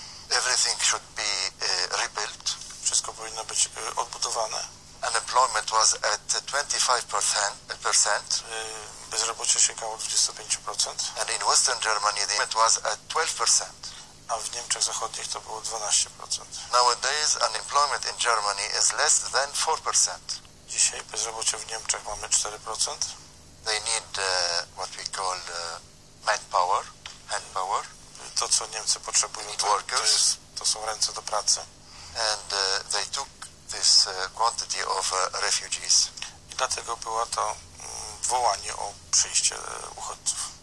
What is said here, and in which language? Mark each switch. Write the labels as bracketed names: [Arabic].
[English] Everything should be rebuilt. [Polish] Wszystko powinno być odbudowane. [English] Unemployment was at 25%. [Polish] Bezrobocie sięgało 25%. [English] And in western Germany the unemployment was at 12%. [Polish] A w Niemczech Zachodnich to było 12%. [English] Nowadays unemployment in Germany is less than 4%. [Polish] dzisiaj. Bezrobocie w Niemczech mamy 4%. [English] They need what we call manpower. [Polish] To, co Niemcy potrzebują, to są ręce do pracy. [English] And they took this quantity of refugees. [Polish] I dlatego było to wołanie o przyjście uchodźców.